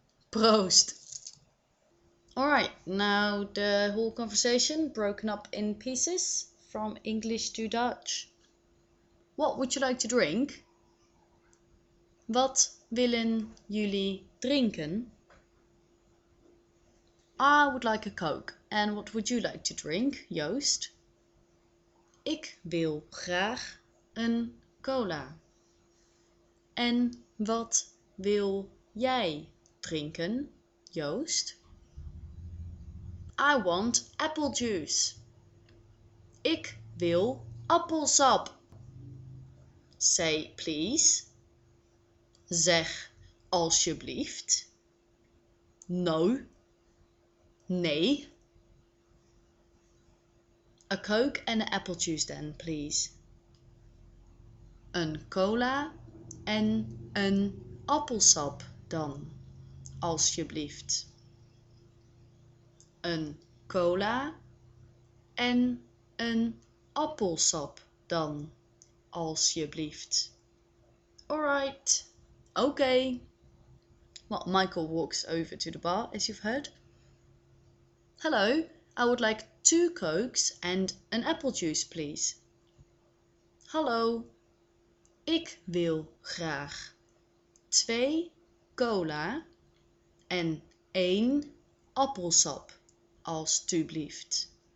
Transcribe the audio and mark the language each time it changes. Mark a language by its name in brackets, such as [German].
[English] Proost. Alright, now the whole conversation broken up in pieces from English to Dutch. What would you like to drink? [Dutch] Wat willen jullie drinken? [English] I would like a Coke. And what would you like to drink, Joost? [Dutch] Ik wil graag een cola. En wat wil jij drinken, Joost? [English] I want apple juice. [Dutch] Ik wil appelsap. [English] Say please. [Dutch] Zeg alsjeblieft. [English] No. [Dutch] Nee. [English] A Coke and an apple juice then, please. [Dutch] Een cola en een appelsap dan. Alsjeblieft. Een cola en een appelsap dan, alsjeblieft. [English] Alright. Oké. Well, Michael walks over to the bar, as you've heard. Hello, I would like 2 Cokes and an apple juice, please. [Dutch] Hallo, ik wil graag 2 cola en 1 appelsap, alstublieft.